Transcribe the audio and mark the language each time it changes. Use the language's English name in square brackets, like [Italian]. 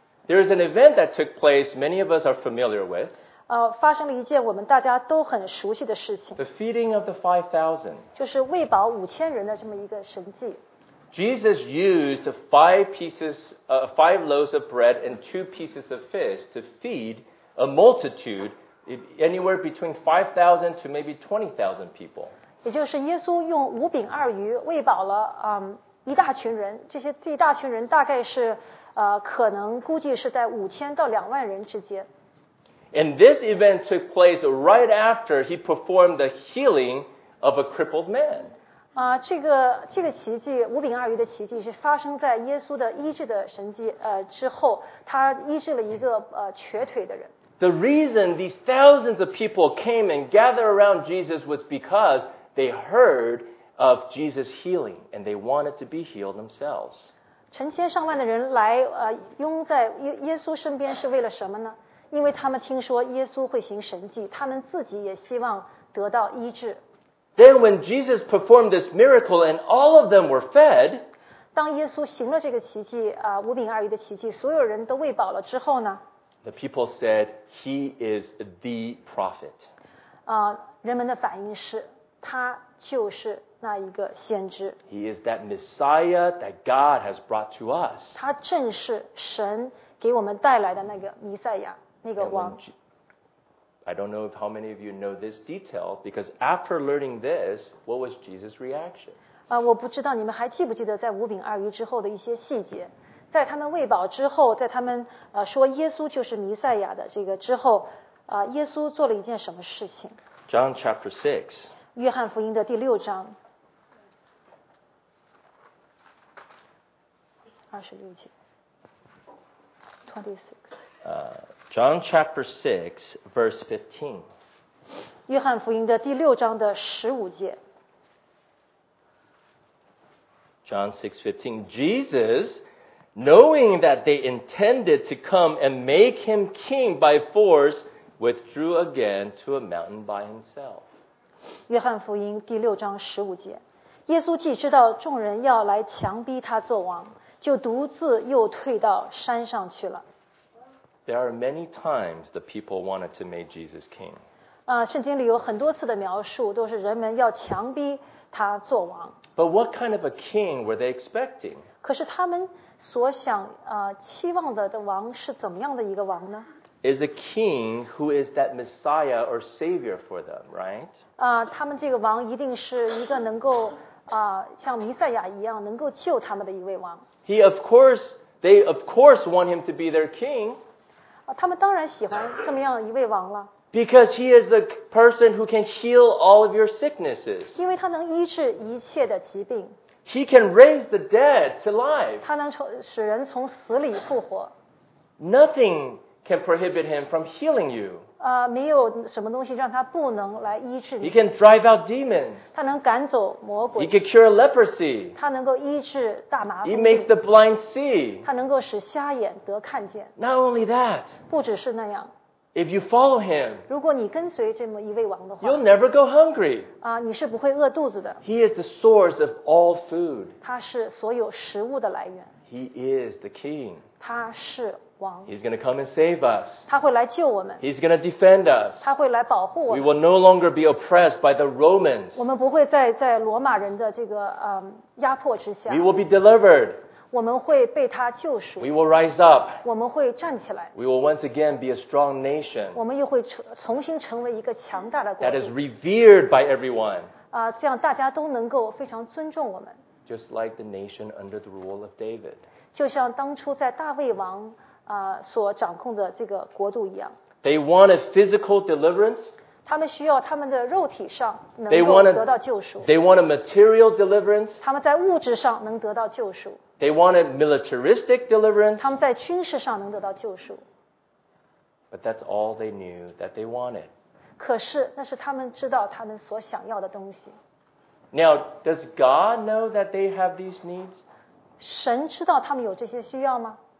[English] there is an event that took place many of us are familiar with. [Chinese] 发生了一件我们大家都很熟悉的事情, [English] the feeding of the 5,000. [Chinese] 就是喂饱5,000人的这么一个神迹。 [English] Jesus used five loaves of bread and 2 pieces of fish to feed a multitude anywhere between 5,000 to maybe 20,000 people. [Chinese] 也就是耶稣用五饼二鱼喂饱了一大群人，这些这一大群人大概是可能估计是在5,000到2万人之间。 [English] And this event took place right after he performed the healing of a crippled man. [Chinese] 这个奇迹，五饼二鱼的奇迹是发生在耶稣的医治的神迹之后，他医治了一个瘸腿的人。 [English] The reason these thousands of people came and gathered around Jesus was because they heard of Jesus' healing and they wanted to be healed themselves. [Chinese] 成千上万的人来拥在耶稣身边是为了什么呢？因为他们听说耶稣会行神迹，他们自己也希望得到医治。 [English] Then when Jesus performed this miracle and all of them were fed, [Chinese] 当耶稣行了这个奇迹五饼二鱼的奇迹，所有人都喂饱了之后呢？ [English] The people said, he is the prophet. [Chinese] 人们的反应是，他就是那一个先知。 [English] He is that Messiah that God has brought to us. [Chinese] 他正是神给我们带来的那个弥赛亚，那个王。 [English] I don't know how many of you know this detail, because after learning this, what was Jesus' reaction? [Chinese] 我不知道你们还记不记得在五饼二鱼之后的一些细节。在他们喂饱之后，在他们说耶稣就是弥赛亚的这个之后，耶稣做了一件什么事情？ [English] John chapter 6. [Chinese] 约翰福音的第六章。 [English] 26. John chapter 6, verse 15. [Chinese] 约翰福音的第六章的十五节。 [English] John 6:15. Jesus, knowing that they intended to come and make him king by force, withdrew again to a mountain by himself. [Chinese] 约翰福音第六章十五节，耶稣既知道众人要来强逼他做王，就独自又退到山上去了。 [English] There are many times the people wanted to make Jesus king. [Chinese] 圣经里有很多次的描述，都是人们要强逼他做王。 [English] But what kind of a king were they expecting? [Chinese] 可是他们所想期望的王是怎么样的一个王呢？ [English] Is a king who is that Messiah or Savior for them, right? [Chinese] 他们这个王一定是一个能够像弥赛亚一样能够救他们的一位王。 [English] They of course want him to be their king. [Chinese] 他们当然喜欢这么样一位王了。 [English] Because he is the person who can heal all of your sicknesses. [Chinese] 因为他能医治一切的疾病。 [English] He can raise the dead to life. [Chinese] 他能使人从死里复活。 [English] Nothing can prohibit him from healing you. [Chinese] 没有什么东西让他不能来医治你。 [English] He can drive out demons. [Chinese] 他能赶走魔鬼。 [English] He can cure leprosy. [Chinese] 他能够医治大麻风。 [English] He makes the blind see. [Chinese] 他能够使瞎眼得看见。 [English] Not only that. [Chinese] 不只是那样。 [English] If you follow him, [Chinese] 如果你跟随这么一位王的话， [English] you'll never go hungry. [Chinese] 你是不会饿肚子的。 [English] He is the source of all food. [Chinese] 他是所有食物的来源。 [English] He is the king. [Chinese] 他是王。 [English] He's going to come and save us. [Chinese] 他会来救我们。 [English] He's going to defend us. [Chinese] 他会来保护我们。 [English] We will no longer be oppressed by the Romans. [Chinese] 我们不会在罗马人的这个压迫之下。 [English] We will be delivered. [Chinese] 我们会被他救赎。 [English] We will rise up. [Chinese] 我们会站起来。 [English] We will once again be a strong nation. [Chinese] 我们又会重新成为一个强大的国。 [English] That is revered by everyone. [Chinese] 这样大家都能够非常尊重我们。 [English] Just like the nation under the rule of David. [Chinese] 就像当初在大卫王所掌控的这个国度一样。 [English] They want a physical deliverance. [Chinese] 他们需要他们的肉体上能够得到救赎。 [English] They want a material deliverance. [Chinese] 他们在物质上能得到救赎。 [English] They wanted militaristic deliverance. [Chinese] 他们在军事上能得到救赎。 [English] But that's all they knew that they wanted. [Chinese] 可是那是他们知道他们所想要的东西。 [English] Now, does God know that they have these needs? [Chinese] 神知道他们有这些需要吗？